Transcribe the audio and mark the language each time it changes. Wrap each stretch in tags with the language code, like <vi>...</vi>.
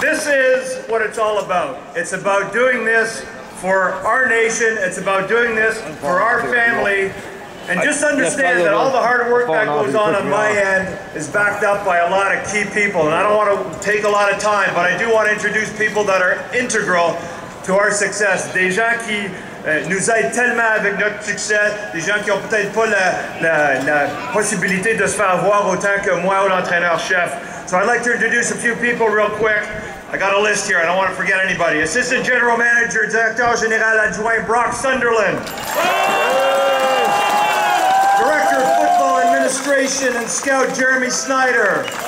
<en>This is what it's all about. It's about doing this for our nation. It's about doing this for our family. And just understand that all the hard work that goes on my end is backed up by a lot of key people. And I don't want to take a lot of time, but I do want to introduce people that are integral to our success.</en> <fr>Des gens qui nous aident tellement avec notre succès, des gens qui ont peut-être pas la possibilité de se faire voir autant que moi ou l'entraîneur-chef.</fr> <en>So I'd like to introduce a few people real quick. I got a list here, I don't want to forget anybody. Assistant General Manager, Directeur General Adjoint, Brock Sunderland. Director of Football Administration and Scout, Jeremy Snyder.</en>